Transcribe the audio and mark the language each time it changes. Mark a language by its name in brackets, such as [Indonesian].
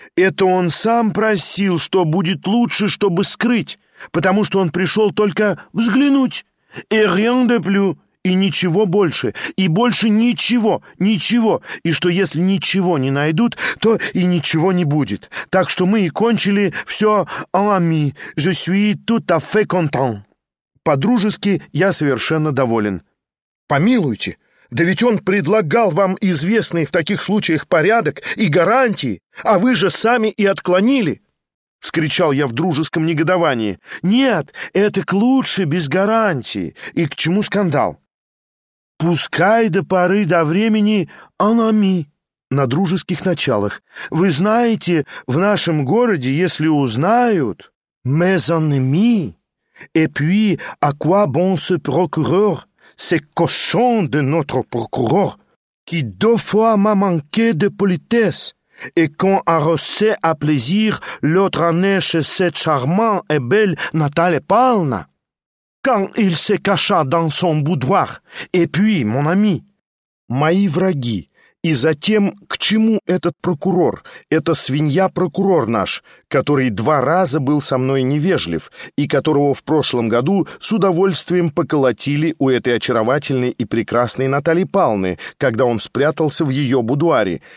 [Russian] Это он сам просил, что будет лучше, чтобы скрыть. Потому что он пришел только взглянуть. [French] Et rien de plus. [Russian] И ничего больше, и больше ничего, ничего. И что если ничего не найдут, то и ничего не будет. Так что мы и кончили все [French] en ami. Je suis tout à fait content. [Russian] По-дружески я совершенно доволен. Помилуйте, да ведь он предлагал вам известный в таких случаях порядок и гарантии, а вы же сами и отклонили. Вскричал я в дружеском негодовании. Нет, это к лучше без гарантии. И к чему скандал? «Пускай до поры до времени [French] en ami» [Russian] на дружеских началах. «Вы знаете, в нашем городе, если узнают, [French] mais en ami, et puis à quoi bon ce procureur, ce cochon de notre procureur, qui deux fois m'a manqué de politesse, et qu'on arrossait à plaisir l'autre année chez cette charmante et belle Natalia Павловна». «Quand il se cacha dans son boudoir, et puis, mon ami». [Russian] «Мои враги, и затем, к чему этот прокурор, это свинья-прокурор наш, который два раза был со мной невежлив, и которого в прошлом году с удовольствием поколотили у этой очаровательной и прекрасной Натальи Павловны, когда он спрятался в ее будуаре.